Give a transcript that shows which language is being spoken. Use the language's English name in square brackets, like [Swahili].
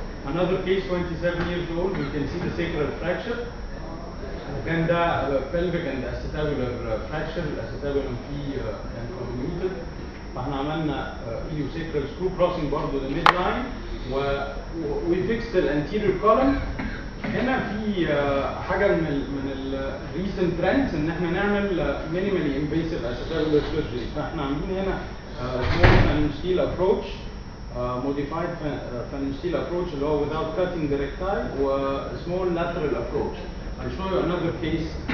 [English] Another case, 27 years old, we can see the sacral fracture. Then the pelvic and acetabular fracture, acetabulum P and convoluted. [Arabic] فاحنا عملنا ايو [English] sacral screw crossing [Arabic] برضو [English] the midline. We fixed the anterior column. [Arabic] هنا في حاجة من ال [English] recent trends [Arabic] ان احنا نعمل [English] minimally invasive acetabular surgery. [Arabic] فاحنا عاملين هنا [English] small fenestial approach. Modified fenestial approach low without cutting the recti [Arabic] و [English] small lateral approach. I'll show you another case.